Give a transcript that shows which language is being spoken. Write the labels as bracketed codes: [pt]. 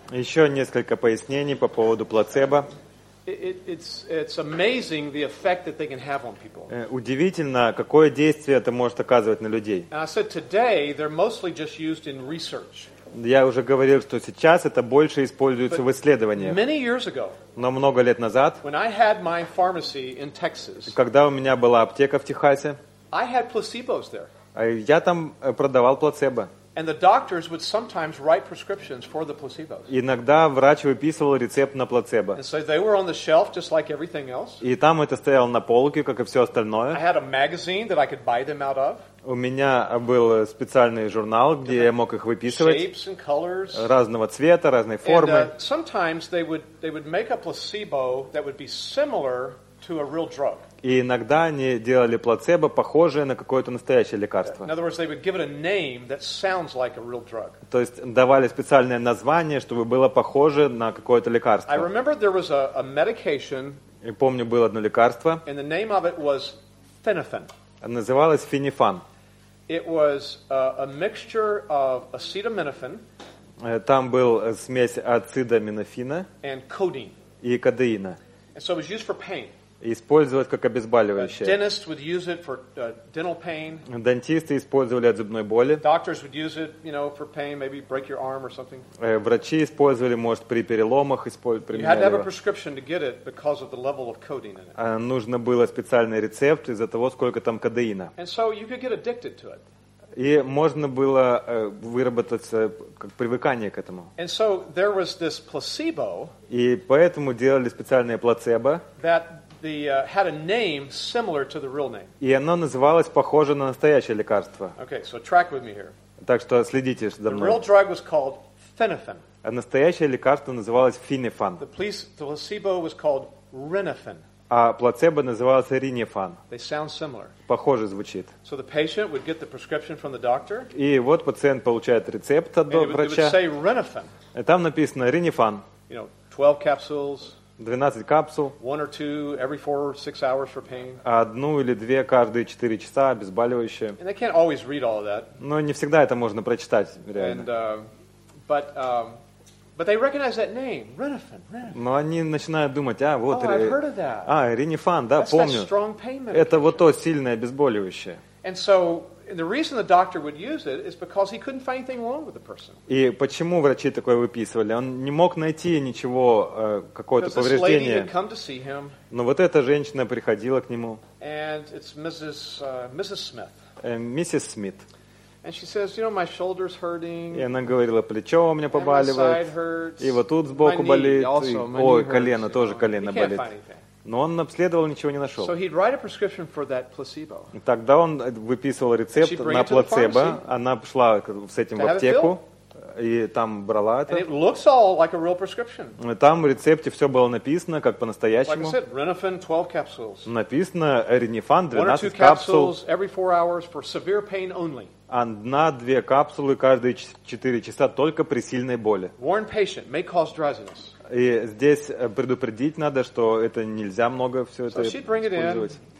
[ru] Еще несколько пояснений по поводу плацебо. [en] It's amazing the effect that they can have on people. [ru] Удивительно, какое действие это может оказывать на людей. [en] I said today they're mostly just used in research. [ru] Я уже говорил, что сейчас это больше используется в исследованиях. [en] Many years ago, [ru] но много лет назад, [en] when I had my pharmacy in Texas, [ru] когда у меня была аптека в Техасе, [en] I had placebos there. [ru] Я там продавал плацебо. [en] And the doctors would sometimes write prescriptions for the placebos. [ru] Иногда врач выписывал рецепт на плацебо. [en] And so they were on the shelf just like everything else. [ru] И там это стояло на полке, как и все остальное. [en] I had a magazine that I could buy them out of. [ru] У меня был специальный журнал, где я мог их выписывать. [en] Shapes and colors. [ru] Разного цвета, разной формы. [en] And sometimes they would make a placebo that would be similar to a real drug. [ru] И иногда они делали плацебо, похожее на какое-то настоящее лекарство. [en] In other words, they would give it a name that sounds like a real drug. [ru] То есть давали специальное название, чтобы было похоже на какое-то лекарство. [en] I remember there was a medication. [ru] И помню, было одно лекарство. [en] And the name of it was Phenifen. [ru] Называлось Фенифан. [en] It was a mixture of acetaminophen. [ru] Там был смесь ацетаминофена. [en] And codeine. [ru] И кодеина. [en] And so it was used for pain. [ru] Использовать как обезболивающее. [en] Dentists would use it for dental pain. [ru] Дантисты использовали от зубной боли. [en] Doctors would use it, you know, for pain, maybe break your arm or something. [ru] Врачи использовали, может, при переломах использовали. [en] You had to have a prescription to get it because of the level of codeine in it. [ru] Нужно было специальный рецепт из-за того, сколько там кодеина. [en] And so you could get addicted to it. [ru] И можно было выработаться как привыкание к этому. [en] And so there was this placebo. [ru] И поэтому делали специальное плацебо. [en] Had a name similar to the real name. [ru] И оно называлось похоже на настоящее лекарство. [en] Okay, so track with me here. [ru] Так что следите за мной. [en] The real drug was called Phenifen. [ru] А настоящее лекарство называлось Фенифан. [en] The placebo was called Renifen. [ru] А плацебо называлось Ринифан. [en] They sound similar. [ru] Похоже звучит. [en] So the patient would get the prescription from the doctor. [ru] И вот пациент получает рецепт от врача. [en] And it would say Renifen. [ru] И там написано Ринифан. [en] You know, 12 capsules. [ru] 12 капсул. [en] One or two every 4-6 hours for pain. [ru] Одну или две каждые 4 часа обезболивающее. [en] And they can't always read all of that. [ru] Но не всегда это можно прочитать реально. [en] And, but they recognize that name, Renifen. [ru] Но они начинают думать, а вот. [en] Oh, I've heard of that. [ru] А Ринифан, да, [en] that's [ru] помню. [en] That strong pain medication. [ru] Это вот то сильное обезболивающее. [en] And so. And the reason the doctor would use it is because he couldn't find anything wrong with the person. [ru] И почему врачи такое выписывали? Он не мог найти ничего какое-то повреждение. [en] Because this lady had come to see him. [ru] Но вот эта женщина приходила к нему. [en] And it's Mrs. Smith. Mrs. Smith. And she says, you know, my shoulder's hurting. [ru] И она говорила, плечо у меня побаливает. [en] And my side hurts. [ru] И вот тут сбоку болит. [en] My knee also. [ru] Ой, колено тоже колено болит. [en] He can't find anything. [ru] Но он обследовал, ничего не нашел. [en] So he'd write a prescription for that placebo. [ru] Тогда он выписывал рецепт на плацебо. Она шла с этим в аптеку и там брала это. [en] And it looks all like a real prescription. [ru] Там в рецепте все было написано, как по-настоящему. [en] Like I said, Ренифан, 12 capsules. [ru] Написано Ренифан, 12 капсул. [en] One or two capsules every 4 hours for severe pain only. [ru] Одна-две капсулы каждые 4 часа только при сильной боли. [en] Warn patient, may cause drowsiness. [ru] И здесь предупредить надо, что это нельзя много все это использовать.